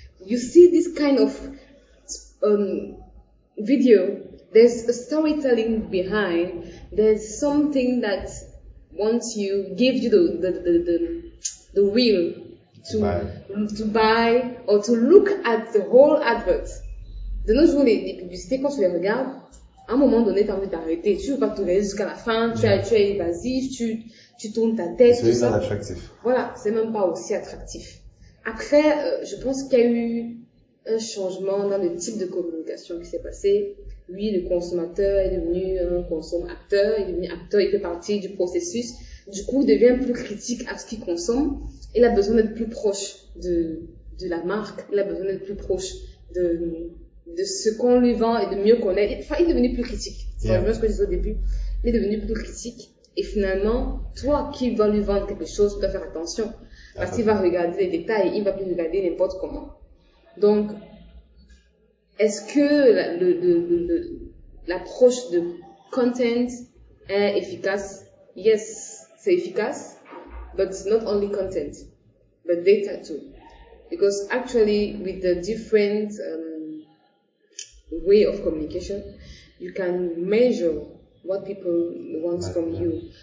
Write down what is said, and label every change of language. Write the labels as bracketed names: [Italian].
[English] You see this kind of video. There's a storytelling behind. There's something that wants you, gives you the will to buy or to look at the whole advert. [French] De nos jours, les publicités, quand tu les regardes, à un moment donné, tu as envie d'arrêter. Tu ne veux pas tourner jusqu'à la fin, tu es évasif, tu tournes ta tête. C'est même pas attractif. Voilà, c'est même pas aussi attractif. Après, je pense qu'il y a eu un changement dans le type de communication qui s'est passé. Oui, le consommateur est devenu un consommateur, il fait partie du processus. Du coup, il devient plus critique à ce qu'il consomme. Il a besoin d'être plus proche de la marque, il a besoin d'être plus proche de ce qu'on lui vend et de mieux connaître. Enfin, il est devenu plus critique. C'est vraiment ce que je disais au début. Il est devenu plus critique. Et finalement, toi qui vas lui vendre quelque chose, tu dois faire attention. Parce qu'il va regarder les détails, il va plus regarder n'importe comment. Donc, est-ce que l'approche de content est efficace? [English] Yes, [French] c'est efficace, [English] but not only content, but data too. Because actually, with the different way of communication, you can measure what people want from you.